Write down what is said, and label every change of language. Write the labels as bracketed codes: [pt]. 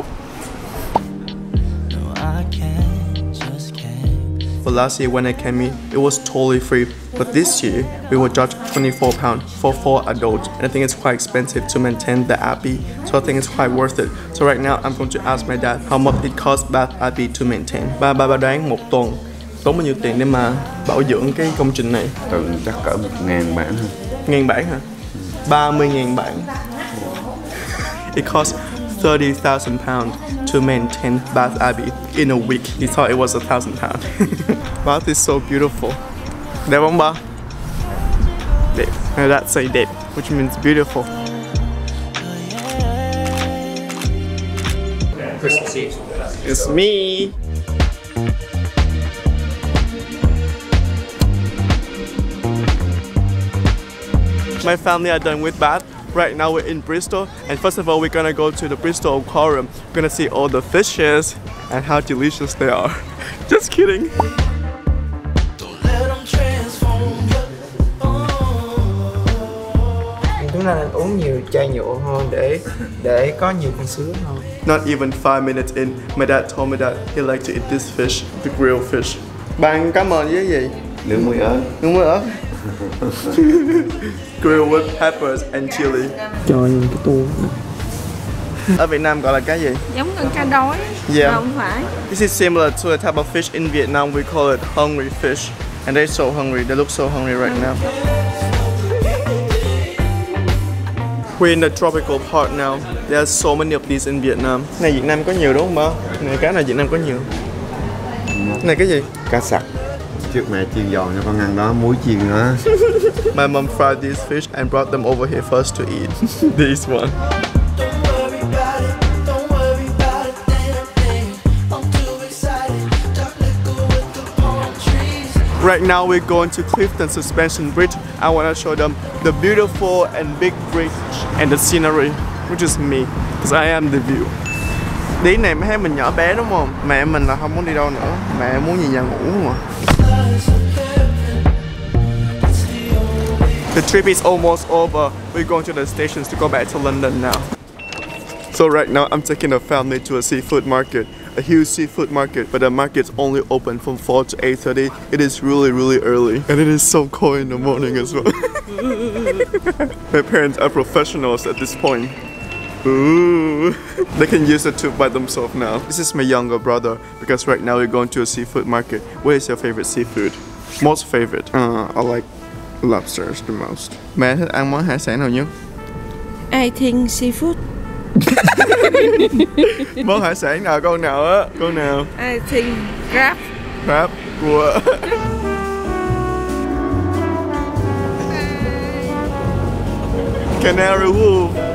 [en] No, I can't, just can't. For last year when I came here, it was totally free. But this year, we were charged £24 for 4 adults. And I think it's quite expensive to maintain the Abbey. So I think it's quite worth it. So right now I'm going to ask my dad how much it costs Bath Abbey to maintain. [vi] Ba đoán một tuần tốn bao nhiêu tiền để mà bảo dưỡng cái công trình này? Ừ, chắc cỡ 1000 bảng thôi. 1000 bảng hả? 30.000 bảng. [en] It cost £30,000 to maintain Bath Abbey in a week. He thought it was £1,000. Bath is so beautiful. [vi] Đẹp không ba? Đẹp. [en] And that's a đẹp, which means beautiful. It's me. My family are done with Bath. Right now we're in Bristol, and first of all we're gonna go to the Bristol aquarium. We're gonna see all the fishes and how delicious they are. Just kidding. Don't let them transform you. [vi] Chúng ta nên uống nhiều chai nhựa hơn để có nhiều con sứa hơn. [en] Not even 5 minutes in, my dad told me that he liked to eat this fish, the grilled fish. [vi] Bạn cảm ơn với gì? Nước muối ớt. Nước muối ớt. [en] Grilled with peppers and chili. [vi] Cho nhìn cái tô. Ở Việt Nam gọi là cá gì? Giống như cá đói. [en] Yeah. [vi] Không phải. [en] This is similar to the type of fish in Vietnam. We call it hungry fish. And they're so hungry. They look so hungry right now. We're in the tropical part now. There are so many of these in Vietnam. [vi] Này Việt Nam có nhiều đúng không ba? Này cá này Việt Nam có nhiều. Này cái gì? Cá sặc. Trước mẹ chiên giòn cho con ăn đó, muối chiên nữa. [en] My mom fried these fish and brought them over here first to eat. This one. Right now we're going to Clifton Suspension Bridge. I want to show them the beautiful and big bridge and the scenery, which is me, because I am the view. [vi] Đi này mấy em mình nhỏ bé đúng không? Mẹ mình là không muốn đi đâu nữa. Mẹ muốn về nhà ngủ mà. [en] The trip is almost over. We're going to the stations to go back to London now. So right now I'm taking a family to a seafood market. A huge seafood market, but the market's only open from 4 to 8:30. It is really, really early. And it is so cold in the morning as well. My parents are professionals at this point. Ooh. They can use the tube by themselves now. This is my younger brother, because right now we're going to a seafood market. What is your favorite seafood? Most favorite? I like lobsters the most. [vi] Mẹ thích ăn món hải sản nào nhất? [en] I think seafood. [vi] Món hải sản nào con nào á? Con nào? [en] I think crab. Crab của Canary Wolf.